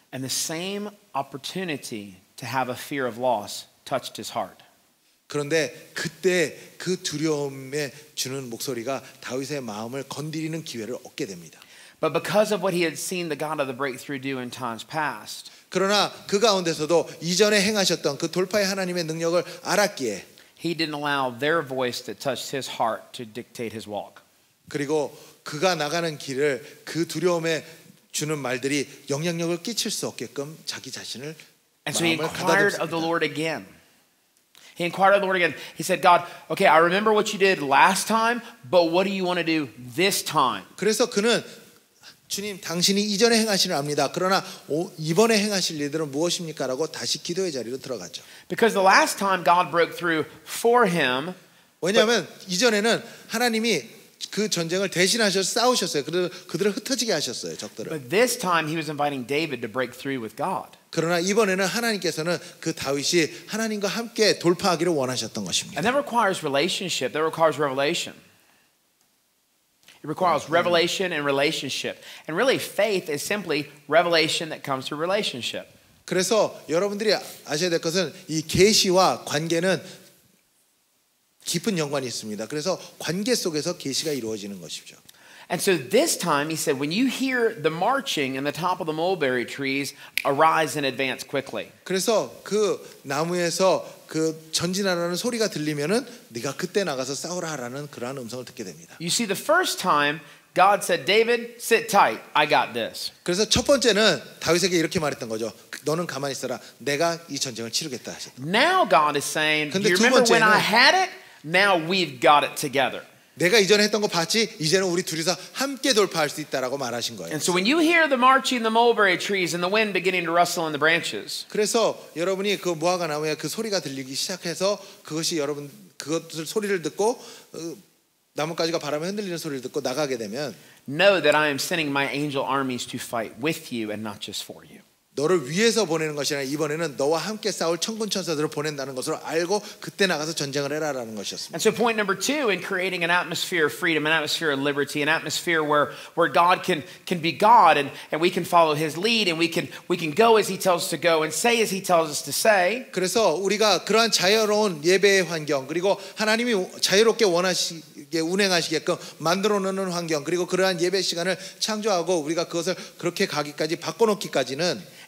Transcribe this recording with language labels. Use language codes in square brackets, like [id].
[en] And the same opportunity to have a fear of loss touched his heart. [ko] 그런데 그때 그 두려움에 주는 목소리가 다윗의 마음을 건드리는 기회를 얻게 됩니다. [en] But because of what he had seen the God of the breakthrough do in times past. [ko] 그러나 그 가운데서도 이전에 행하셨던 그 돌파의 하나님의 능력을 알았기에 [en] He didn't allow their voice that touched his heart to dictate his walk. [ko] 그리고 그가 나가는 길을 그 두려움에 주는 말들이 영향력을 끼칠 수 없게끔 자기 자신을 [en] And so he inquired of the Lord again. He inquired of the Lord again. He said, God, okay, I remember what you did last time, but what do you want to do this time? [ko] 그래서 그는 주님, 당신이 이전에 행하시는 압니다. 그러나 이번에 행하실 일들은 무엇입니까?라고 다시 기도의 자리로 들어갔죠. [en] Because the last time God broke through for him, [ko] 왜냐하면 이전에는 하나님이 그 전쟁을 대신하셔서 싸우셨어요. 그들을 흩어지게 하셨어요, 적들을. [en] But this time he was inviting David to break through with God. [ko] 그러나 이번에는 하나님께서는 그 다윗이 하나님과 함께 돌파하기를 원하셨던 것입니다. [en] And that requires relationship. That requires revelation. It requires revelation and relationship. And really, faith is simply revelation that comes through relationship. [ko] 그래서 여러분들이 아셔야 될 것은 이 계시와 관계는 깊은 연관이 있습니다. 그래서 관계 속에서 계시가 이루어지는 것이죠. [en] And so this time, he said, when you hear the marching in the top of the mulberry trees, arise and advance quickly. [ko] 그래서 그 나무에서 그 전진하라는 소리가 들리면은 네가 그때 나가서 싸우라라는 그러한 음성을 듣게 됩니다. [en] You see, the first time God said, David, sit tight. I got this. [ko] 그래서 첫 번째는 다윗에게 이렇게 말했던 거죠. 너는 가만히 있어라. 내가 이 전쟁을 치르겠다 하셨다. [en] Now God is saying, you remember when I had it? Now we've got it together. [ko] 내가 이전에 했던 거 봤지? 이제는 우리 둘이서 함께 돌파할 수 있다라고 말하신 거예요. [en] And so when you hear the marching the mulberry trees and the wind beginning to rustle in the branches. [ko] 그래서 여러분이 그 무화과 나무에 그 소리가 들리기 시작해서 그것이 여러분 그것을 소리를 듣고 나뭇가지가 바람에 흔들리는 소리를 듣고 나가게 되면 [en] Know that I am sending my angel armies to fight with you and not just for you. [ko] 너를 위해서 보내는 것이 아니라 이번에는 너와 함께 싸울 천군 천사들을 보낸다는 것으로 알고 그때 나가서 전쟁을 해라라는 것이었습니다. [en] And so point number two in creating an atmosphere of freedom, an atmosphere of liberty, an atmosphere where God can be God and we can follow His lead and we can go as He tells us to go and say as He tells us to say. [ko] 그래서 우리가 그러한 자유로운 예배의 환경 그리고 하나님이 자유롭게 원하시게 운행하시게끔 만들어놓는 환경 그리고 그러한 예배 시간을 창조하고 우리가 그것을 그렇게 가기까지 바꿔놓기까지는